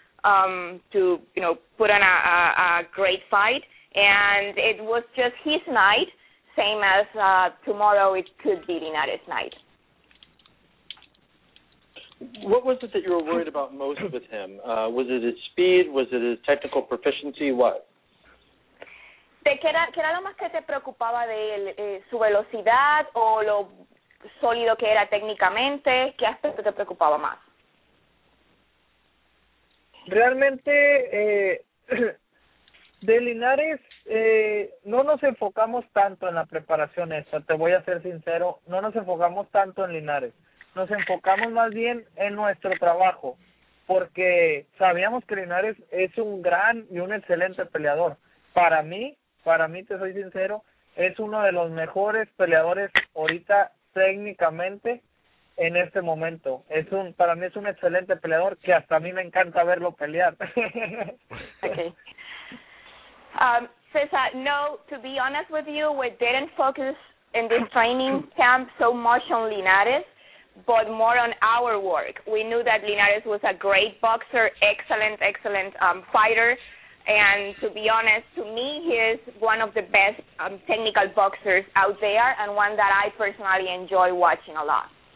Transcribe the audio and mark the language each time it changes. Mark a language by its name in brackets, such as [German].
[English] To, you know, put on a great fight, and it was just his night, same as tomorrow it could be Linares' night. What was it that you were worried about most with him? Was it his speed? Was it his technical proficiency? What? The [Spanish] ¿Qué era lo más que te preocupaba de él? ¿Su velocidad o lo sólido que era técnicamente? ¿Qué aspecto te preocupaba más? Realmente, de Linares, no nos enfocamos tanto en la preparación esa, te voy a ser sincero, no nos enfocamos tanto en Linares. Nos enfocamos más bien en nuestro trabajo, porque sabíamos que Linares es un gran y un excelente peleador. Para mí, te soy sincero, es uno de los mejores peleadores ahorita técnicamente en este momento. Para mí es un excelente peleador que hasta a mí me encanta verlo pelear. [English] Okay. César, no, to be honest with you, we didn't focus in this training camp so much on Linares, but more on our work. We knew that Linares was a great boxer, excellent fighter, and to be honest, to me, he is one of the best technical boxers out there and one that I personally enjoy watching a lot.